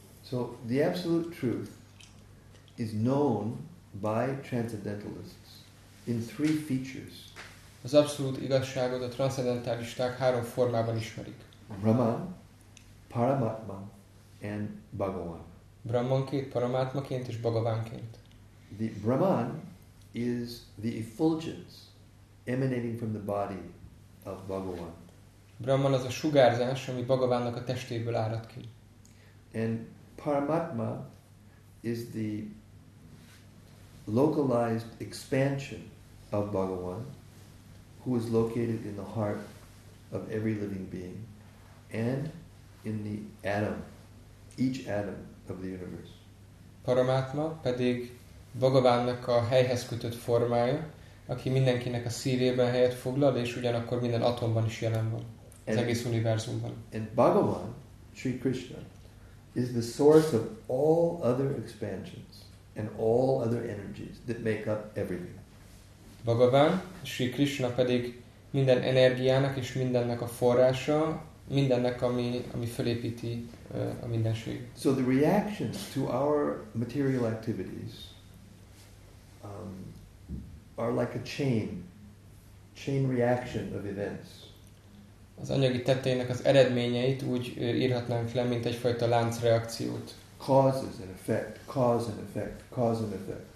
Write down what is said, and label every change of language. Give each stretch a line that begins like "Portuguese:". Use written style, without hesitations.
English: So the absolute truth is known by transcendentalists in three features.
Hungarian: Az abszolút igazságot a transzcendentalisták három formában ismerik.
English: Brahman, Paramatma and Bhagavan.
Hungarian: Brahmanként, Paramatmaként és Bhagavanként.
English: The Brahman is the effulgence emanating from the body of Bhagavan.
Hungarian: Brahman az a sugárzás, ami Bhagavannak a testéből árad ki.
English: And Paramatma is the localized expansion of Bhagavan, who is located in the heart of every living being and in the atom, each atom of the universe.
Hungarian: Paramatma pedig Bhagavannak a helyhez kötött formája, aki mindenkinek a szívében helyet foglal, és ugyanakkor minden atomban is jelen van, az egész univerzumban.
English: And Bhagavan, Sri Krishna, is the source of all other expansions and all other energies that make up everything.
Hungarian: Bhagavan, Sri Krishna pedig minden energiának és mindennek a forrása, mindennek, ami fölépíti a mindenség.
English: So the reactions to our material activities are like a chain reaction of events.
Hungarian: Az anyagi tetteinek az eredményeit úgy írhatnánk le, mint egyfajta láncreakciót.
English: Causes and effect, cause and effect, cause and effect.